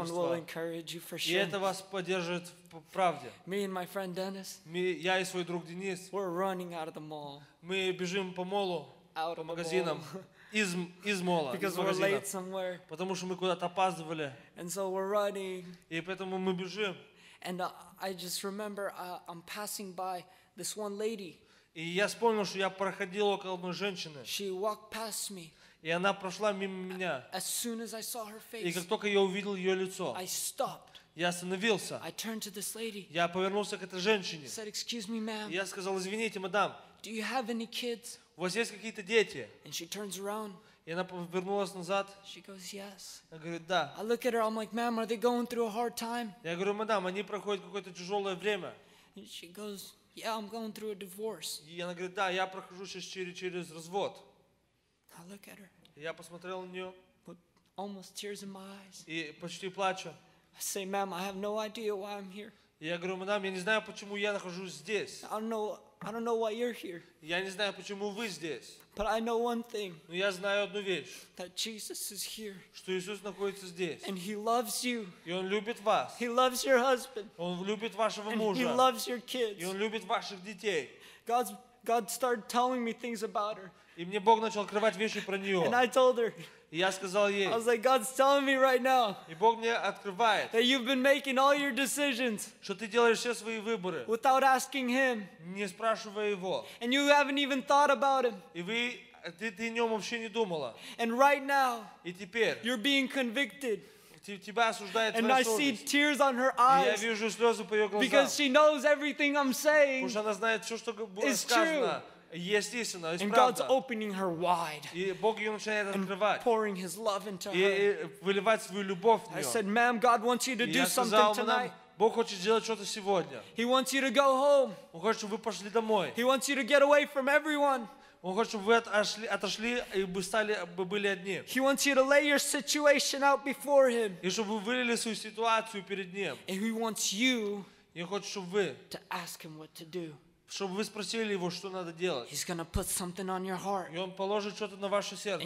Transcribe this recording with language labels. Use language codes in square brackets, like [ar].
[en] This one will encourage you for sure. [ru] И это вас поддержит в правде. [en] Me and my friend Dennis. [ru] Я и свой друг Денис. [en] We're running out of the mall. [ru] Мы бежим по молу, [en] out [ru] по магазинам. Из мола, [en] because [ru] из магазина, [en] we're late somewhere. [ru] Потому что мы куда-то опаздывали. [en] And so we're running. [ru] И поэтому мы бежим. [en] And I just remember I'm passing by this one lady. [ru] И я вспомнил, что я проходил около одной женщины. [en] She walked past me. [ru] И она прошла мимо меня. [en] As soon as I saw her face. [ru] И как только я увидел ее лицо, [en] I stopped. [ru] Я остановился. [en] I turned to this lady. [ru] Я повернулся к этой женщине. [en] I said, excuse me, ma'am. [ru] Я сказал, извините, мадам. [en] Do you have any kids? [ru] У вас есть какие-то дети? [en] And she turns around. [ru] И она повернулась назад. [en] She goes, yes. [ru] Она говорит, да. [en] I look at her, I'm like, ma'am, are they going through a hard time? [ru] Я говорю, мадам, они проходят какое-то тяжелое время. [en] And she goes, yeah, I'm going through a divorce. [ru] И она говорит, да, я прохожу сейчас через развод. [en] I look at her. [ru] Я посмотрел на нее. [en] With almost tears in my eyes. [ru] И почти плачу. [en] I say, ma'am, I have no idea why I'm here. [ru] Я говорю, мадам, я не знаю, почему я нахожусь здесь. [en] I don't know why you're here. [ru] Я не знаю, почему вы здесь. [en] But I know one thing. [ru] Но я знаю одну вещь. [en] That Jesus is here. [ru] Что Иисус находится здесь. [en] And he loves you. [ru] И он любит вас. [en] He loves your husband. [ru] Он любит вашего мужа. [en] And he loves your kids. [ru] И он любит ваших детей. [en] God started telling me things about her. [ru] И мне Бог начал открывать вещи про нее. [en] And I told her. [ru] И я сказал ей. [en] I was like, God's telling me right now. [ru] И Бог мне открывает. [en] That you've been making all your decisions. [ru] Что ты делаешь все свои выборы. [en] Without asking him. [ru] Не спрашивая его. [en] And you haven't even thought about him. [ru] И ты о нем вообще не думала. [en] And right now. [ru] И теперь. [en] You're being convicted. [ru] Тебя осуждает твоя совесть. [en] And I see tears on her eyes. [ru] И я вижу слезы по ее глазам. [en] Because she knows everything I'm saying. [ru] Потому что она знает все, что будет сказано. Есть истина, есть [en] and God's opening her wide. [ru] И Бог ее начинает открывать. [en] Pouring his love into [ru] и выливать свою любовь в нее. [en] I said, ma'am, God wants you to do something tonight. [ru] Бог хочет сделать что-то сегодня. [en] He wants you to go home. [ru] Он хочет, чтобы вы пошли домой. [en] He wants you to get away from everyone. [ru] Он хочет, чтобы вы отошли и были одни. [en] He wants you to lay your situation out before him. [ru] И чтобы вы вылили свою ситуацию перед ним. [en] And he wants you. [ru] И хочет, чтобы вы. [en] To ask him what to do. [ru] Чтобы вы спросили его, что надо делать. [en] He's gonna put something on your heart. [ru] И он положит что-то на ваше сердце.